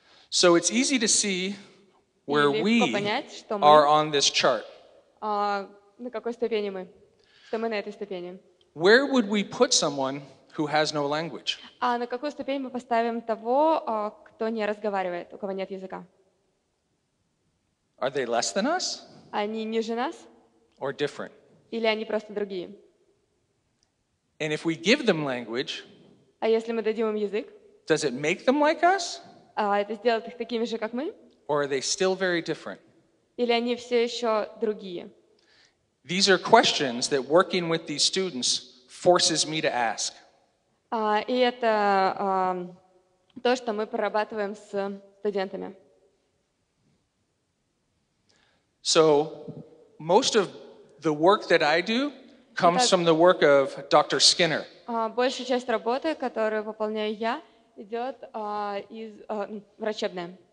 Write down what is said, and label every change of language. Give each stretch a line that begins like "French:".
English: So it's easy to see where we are on this chart.
Russian: На какой ступени мы? Что мы на этой ступени?
English: Where would we put someone who has no language.
Russian: А на какую ступень мы поставим того, кто не разговаривает, у кого нет языка?
English: Are they less than us?
Russian: Они ниже нас?
English: Or different?
Russian: Или они просто другие?
English: And if we give them language,
Russian: а если мы дадим им язык?
English: Does it make them like us?
Russian: А это сделает их такими же, как мы?
English: Or are they still very different?
Russian: Или они все еще другие?
English: These are questions that working with these students forces me to ask.
Russian: И это то, что мы прорабатываем с студентами.
English: So, most of the work that I do comes from the work of Dr. Skinner.
Russian: Большая часть работы, которую выполняю я, идет из врачебной.